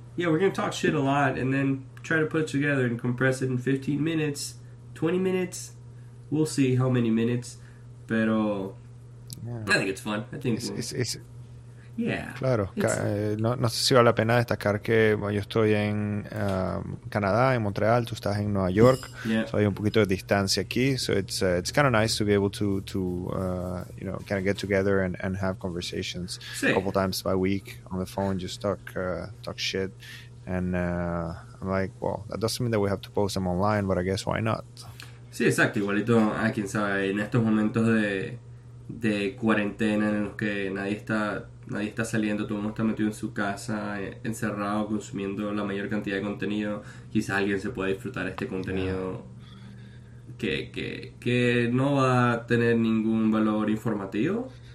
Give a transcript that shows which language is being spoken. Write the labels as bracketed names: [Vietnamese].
[English] Yeah, we're gonna talk shit a lot and then try to put it together and compress it in 15 minutes, 20 minutes, we'll see how many minutes, pero yeah. I think it's fun. I think it's yeah. [Spanish] Claro, no sé si vale la pena destacar que bueno, yo estoy en Canadá, en Montreal, tú estás en Nueva York, [English] yeah. So [Spanish] hay un poquito de distancia aquí, [English] so it's kind of nice to be able to you know, kind of get together and have conversations a couple times by week on the phone, just talk shit, and I'm like, well, that doesn't mean that we have to post them online, but I guess why not? [Spanish] Sí, exacto, igualito, quién sabe, en estos momentos de cuarentena en los que nadie está saliendo, todo el mundo está metido en su casa, encerrado, consumiendo la mayor cantidad de contenido. Quizás alguien se pueda disfrutar este contenido que no va a tener ningún valor informativo.